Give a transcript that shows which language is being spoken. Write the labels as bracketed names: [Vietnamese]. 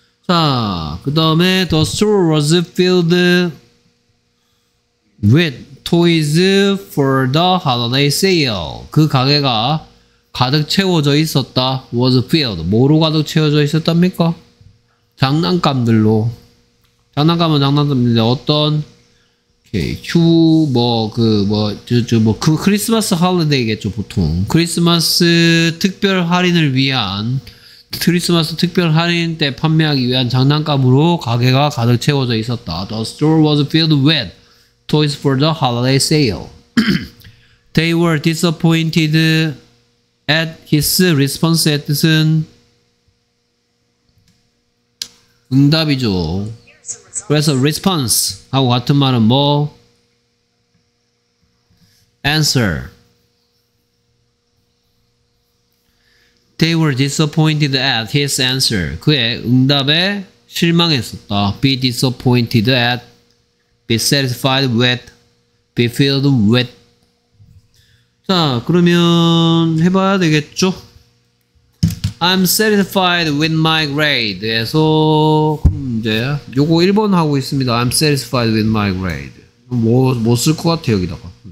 [Korean] 자, 그 다음에 [English] The store was filled with toys for the holiday sale. [Korean] 그 가게가 가득 채워져 있었다. [English] Was filled. [Korean] 뭐로 가득 채워져 있었답니까? 장난감들로. 장난감은 장난감인데 어떤 그 크리스마스 홀리데이겠죠. 보통 크리스마스 특별 할인을 위한 크리스마스 특별 할인 때 판매하기 위한 장난감으로 가게가 가득 채워져 있었다. [English] The store was filled with toys for the holiday sale. They were disappointed at his response. [Korean] 응답이죠. 그래서 response 하고 같은 말은 뭐? [English] answer. They were disappointed at his answer. [Korean] 그의 응답에 실망했었다. [English] Be disappointed at, be satisfied with, be filled with. [Korean] 자, 그러면 해봐야 되겠죠? [English] I'm satisfied with my grade. [Korean] 에서 이제 요거 1번 하고 있습니다. [English] I'm satisfied with my grade. [Korean] 뭐 쓸 것 같아 여기다가.